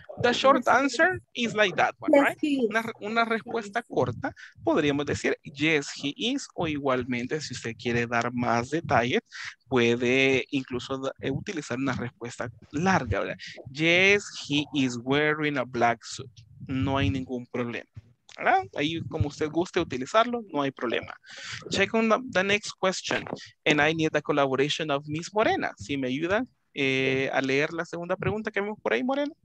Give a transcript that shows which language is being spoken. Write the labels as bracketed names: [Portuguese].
[English] The short answer is like that one, right? [Spanish] Una respuesta corta, podríamos decir, [English] yes, he is, [Spanish] o igualmente, si usted quiere dar más detalles, puede incluso utilizar una respuesta larga, ¿verdad? [English] Yes, he is wearing a black suit. [Spanish] No hay ningún problema, ¿verdad? Ahí, como usted guste utilizarlo, no hay problema. [English] Check on the next question. And I need the collaboration of Miss Morena. [Spanish] Si me ayuda. A leer la segunda pregunta que vemos por ahí, Morena.